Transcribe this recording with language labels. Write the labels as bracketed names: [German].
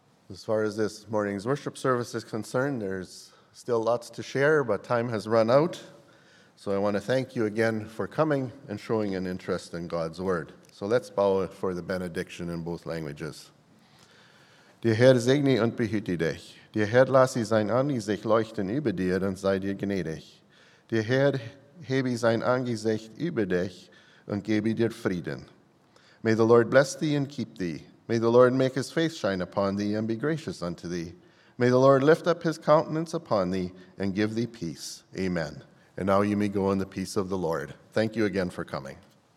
[English] As far as this morning's worship service is concerned, there's still lots to share, but time has run out. So I want to thank you again for coming and showing an interest in God's word. So let's bow for the benediction in both languages. [German] Der Herr segne und behüte dich. Der Herr lasse sein Angesicht leuchten über dir und sei dir gnädig. Der Herr hebe sein Angesicht über dich und gebe dir Frieden. [English] May the Lord bless thee and keep thee. May the Lord make his face shine upon thee and be gracious unto thee. May the Lord lift up his countenance upon thee and give thee peace. Amen. And now you may go in the peace of the Lord. Thank you again for coming.